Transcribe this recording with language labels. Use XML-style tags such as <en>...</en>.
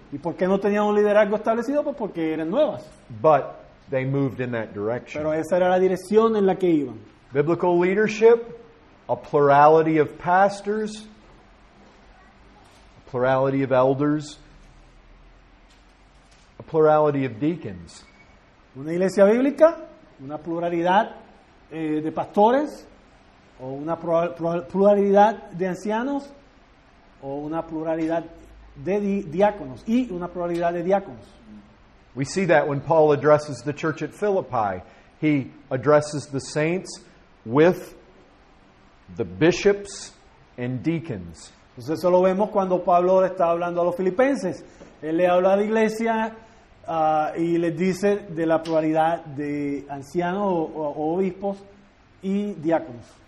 <es>¿Y por qué no tenían un liderazgo establecido? Pues porque eran nuevas.</es> <en>But they moved in that direction.</en> <es>Pero esa era la dirección en la que iban.</es> <en>Biblical leadership, a plurality of pastors, a plurality of elders, a plurality of deacons.</en> <es>Una iglesia bíblica, una pluralidad de pastores, o una pluralidad de ancianos, o una pluralidad de diáconos, y una pluralidad de diáconos.</es> <en>We see that when Paul addresses the church at Philippi. He addresses the saints with the bishops and deacons.</en> <es>Pues eso lo vemos cuando Pablo está hablando a los filipenses. Él le habla a la iglesia y les dice de la pluralidad de ancianos o obispos y diáconos.</es>